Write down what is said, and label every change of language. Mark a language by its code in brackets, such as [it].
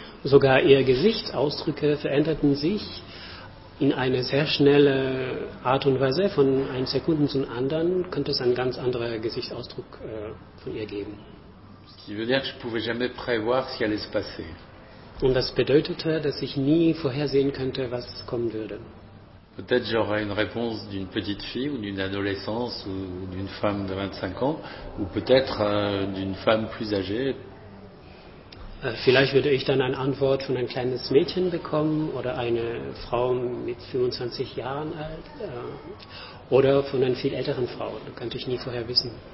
[de] Sogar ihr Gesichtsausdrücke veränderten sich in eine sehr schnelle Art und Weise, von einem Sekunden zum anderen könnte es einen ganz anderen Gesichtsausdruck von ihr geben. [fr] Ce qui veut dire que je pouvais jamais prévoir ce qui allait se passer. [de] Und das bedeutete, dass ich nie vorhersehen könnte, was kommen würde. [fr] Peut-être j'aurais une réponse d'une petite fille ou d'une adolescente ou d'une femme de 25 ans ou peut-être d'une femme plus âgée. [de] Vielleicht würde ich dann eine Antwort von einem kleinen Mädchen bekommen oder eine Frau mit 25 Jahren alt oder von einer viel älteren Frau. Das könnte ich nie vorher wissen.